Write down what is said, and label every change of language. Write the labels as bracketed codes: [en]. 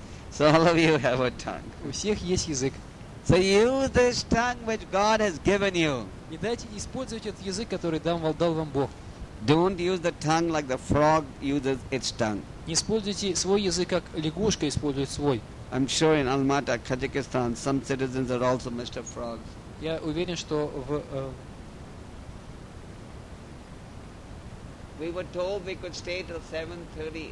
[en] So all of you have a tongue. [ru] У всех есть язык. [en] So use this tongue which God has given you. [ru] Не дайте использовать этот язык, который дал вам Бог. [en] Don't use the tongue like the frog uses its tongue. [ru] Не используйте свой язык, как лягушка использует свой. [en] I'm sure in Almaty, Kazakhstan, some citizens are also Mr. Frogs. [ru] Я уверен, что в [en] We were told we could stay till 7:30.